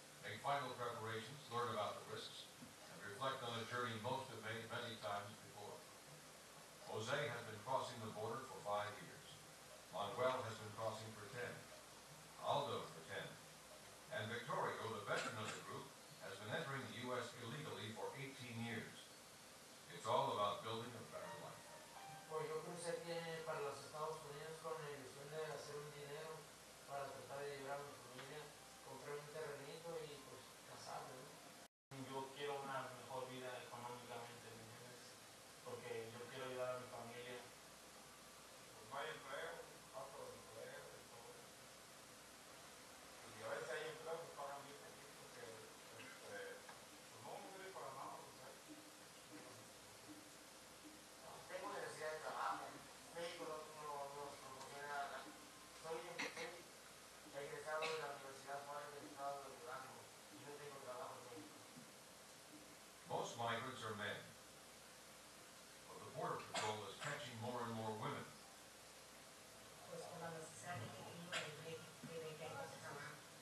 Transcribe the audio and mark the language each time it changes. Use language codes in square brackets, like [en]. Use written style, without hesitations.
[en] make final preparations, learn about the risks, and reflect on a journey most have made many times before. Jose has been crossing the border for 5 years. Manuel has been crossing for 10. Aldo for 10. And Victorio, the veteran of the group, has been entering the U.S. illegally for 18 years. It's all about building a better life. [es] Pues yo crucé aquí para los Estados Unidos con la ilusión de hacer un dinero para tratar de llevar a mi familia, comprar un terrenito y pues casarme, ¿no? Yo quiero una mejor vida económicamente, porque yo quiero ayudar a mi familia. Pues no hay empleo, falta de empleo y todo. Y a veces hay empleo que pagan bien aquí porque pues no me quiere para nada. Tengo necesidad de trabajo, México no nos conviene nada. Soy un chico egresado de la Universidad Juárez del Estado de Durango y no tengo trabajo en México. [en] Most migrants are men, but the Border Patrol is catching more and more women. [es] Pues con la necesidad de que tengo de que hay que trabajar.